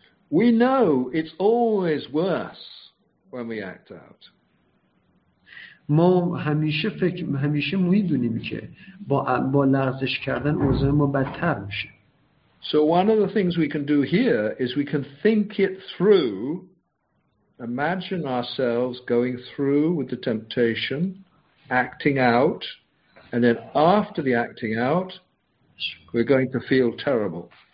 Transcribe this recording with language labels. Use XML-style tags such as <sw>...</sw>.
<en>We know it's always worse when we act out.</en> <fa>ما همیشه میدونیم که با لغزش کردن اوضاع ما بدتر میشه.</fa> <en>So one of the things we can do here is we can think it through. Imagine ourselves going through with the temptation, acting out, and then after the acting out, we're going to feel terrible.</en>